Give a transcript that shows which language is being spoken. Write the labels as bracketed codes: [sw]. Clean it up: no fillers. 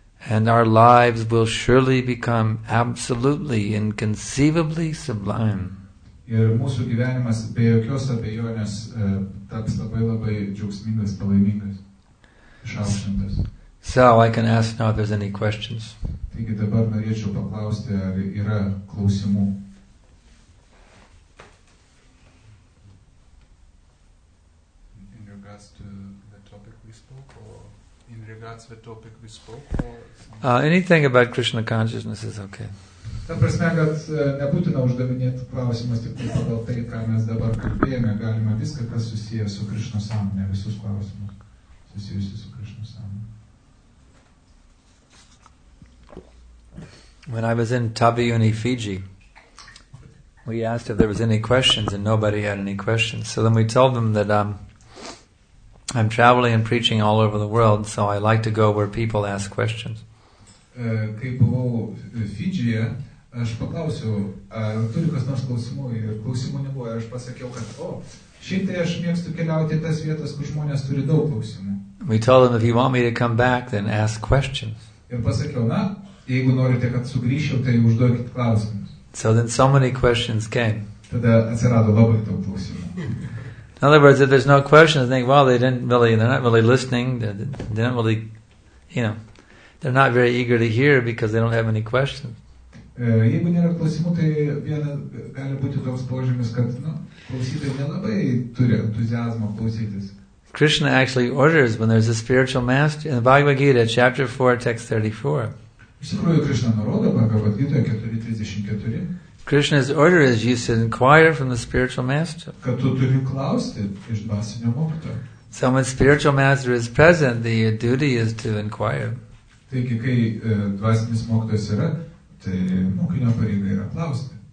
[en] And our lives will surely become absolutely, inconceivably sublime. [lt] Ir mūsų gyvenimas be jokios abejonės taps labai džiaugsmingas, palaimingas, išaukštintas. [en] So I can ask now if there's any questions. [lt] Taigi dabar norėčiau paklausti, ar yra klausimų. [en] In regards to the topic we spoke, or in regards to the topic we spoke, or anything about Krishna consciousness is okay. [lt] Ta prasme, kad nebūtina uždavinėti klausimus tik pagal tai, ką mes dabar kalbėjome, galima viską, kas susiję su Krishna sąmonė, visus klausimus susijusius su Krishna sąmonė. [en] When I was in Tabiuni, Fiji, we asked if there was any questions, and nobody had any questions. So then we told them that I'm traveling and preaching all over the world, so I like to go where people ask questions. [lt] Kai buvau Fidžyje, aš paklausiau, ar turi kas nors klausimų, ir klausimų nebuvo, ir aš pasakiau, kad, šiaip tai aš mėgstu keliauti į tas vietas, kur žmonės turi daug klausimų. [en] We told them, if you want me to come back, then ask questions. [lt] Ir pasakiau, na, jeigu norite, kad sugrįšiu, tai užduokit klausimus. [en] So then so many questions came. [lt] Tada atsirado labai daug klausimų. [en] In other words, if there's no questions, think, well, they're not really listening, they're not very eager to hear because they don't have any questions. [lt] Jeigu nėra klausimų, tai viena gali būti toks požymis, kad, klausytojai nelabai turi entuziazmo klausytis. [en] Krishna actually orders when there's a spiritual master in the Bhagavad Gita, chapter 4, text 34. [lt] Iš tikrųjų, Krishna nurodo Bhagavad Gita 4.34. [en] Krishna's order is you should inquire from the spiritual master. [lt] Kad tu turi klausti iš dvasinio mokytojo. [en] So when spiritual master is present, the duty is to inquire. [lt] Taigi, kai dvasinis mokytojas yra, tai mokinio pareiga yra klausti.